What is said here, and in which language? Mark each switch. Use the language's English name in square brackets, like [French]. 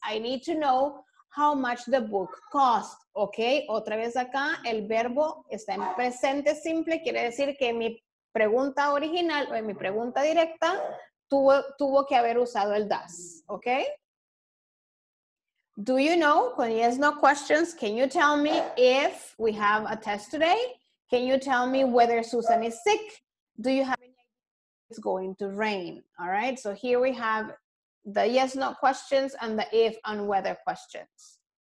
[English] I need to know how much the book cost. [Spanish] Ok, otra vez acá, el verbo está en presente simple. Quiere decir que mi pregunta original o en mi pregunta directa tuvo que haber usado el does. Ok. [English] Do you know, [Spanish] con [English] yes, no questions, can you tell me if we have a test today? Can you tell me whether Susan is sick? Do you have any idea if it's going to rain? All right, so here we have the yes, no questions and the if and whether questions.